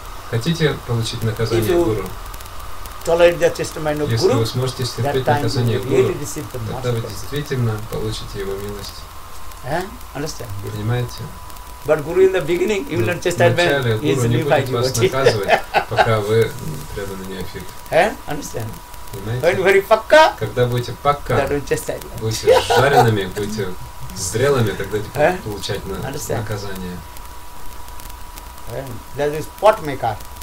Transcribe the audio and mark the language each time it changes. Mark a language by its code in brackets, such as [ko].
[ru] Хотите получить наказание Гуру? [en] Tolerate the chastisement of Guru. [ru] Если вы сможете стерпеть наказание Гуру, тогда вы действительно получите его милость. [en] Understand? [ru] Понимаете? [en] But Guru in the beginning, even in chastisement, he is new by you. [ru] Пока вы преданный неофит. [en] Understand? [ru] Понимаете? [en] When you are pakka, [ru] когда будете пакка, будете жареными, будете зрелыми, тогда получать наказание. [en] That is pot maker.